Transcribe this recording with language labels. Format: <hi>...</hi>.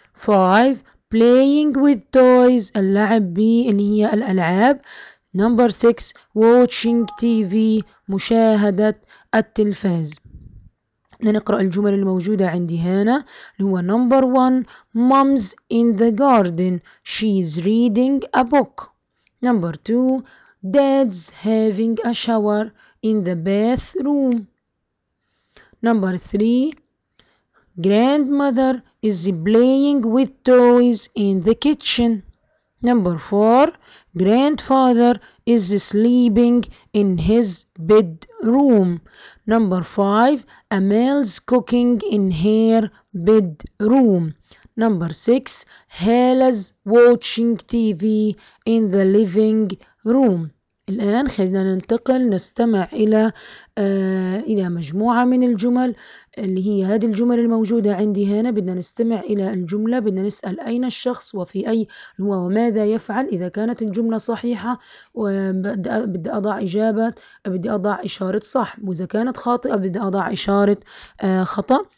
<ar>5،</ar> <en>playing with toys</en> <ar>اللعب بي اللي هي الألعاب.</ar> <en>Number 6، watching TV</en> <ar>مشاهدة التلفاز. نقرأ الجمل الموجودة عندي هنا اللي هو</ar> <en>Number 1، mom's in the garden، she's reading a book. Number 2، dad's having a shower in the bathroom. Number 3، grandmother is playing with toys in the kitchen. Number 4, grandfather is sleeping in his bedroom. Number 5, Amal's cooking in her bedroom. Number 6, Hala's watching TV in the living room.</en> <ar>الآن خلينا ننتقل نستمع إلى مجموعة من الجمل اللي هي هذه الجمل الموجودة عندي هنا. بدنا نستمع إلى الجملة، بدنا نسأل أين الشخص وفي أي هو وماذا يفعل. إذا كانت الجملة صحيحة بدي أضع إجابة، بدي أضع إشارة صح، وإذا كانت خاطئة بدي أضع إشارة خطأ.</ar>